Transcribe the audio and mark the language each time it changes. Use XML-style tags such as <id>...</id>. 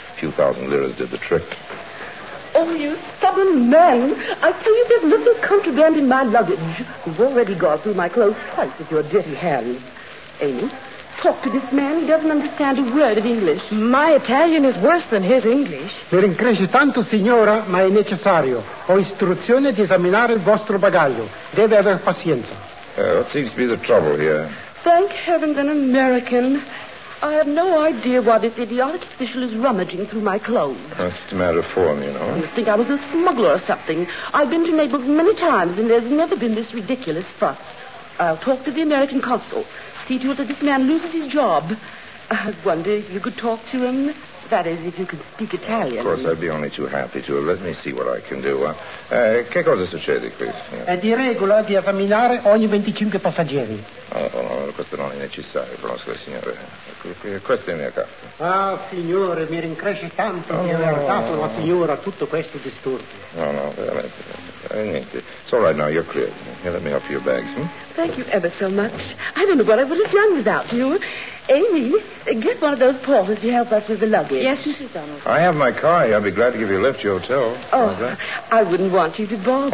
<en>A few thousand liras did the trick. Oh, you stubborn man. I tell you, there's little contraband in my luggage. You've already gone through my clothes twice with your dirty hands. Amy, talk to this man. He doesn't understand a word of English. My Italian is worse than his English.</en> <it>Mi ringrazio tanto, signora, ma è necessario. Ho istruzione di esaminare il vostro bagaglio. Deve aver pazienza.</it> <en>What seems to be the trouble here? Thank heavens, an American. I have no idea why this idiotic official is rummaging through my clothes. That's just a matter of form, you know. You think I was a smuggler or something. I've been to Naples many times, and there's never been this ridiculous fuss. I'll talk to the American consul. See to it that this man loses his job. I wonder if you could talk to him. That is, if you could speak Italian. Of course, I'd be only too happy to. Let me see what I can do.</en> <it>Che cosa succede qui? È di regola di esaminare ogni 25 passeggeri. No, questo non è necessario, conosco il signore. Questa è la mia carta. Ah, signore, mi rincresce tanto di aver dato alla signora tutto questo disturbo. No, veramente. Niente.</it> <en>It's all right now, you're clear. Here, let me offer your bags, Thank you ever so much. I don't know what I would have done without you. Amy, get one of those porters to help us with the luggage. Yes, Mrs. Donald. I have my car here. I'd be glad to give you a lift to your hotel. Oh, I wouldn't want you to bother.</en>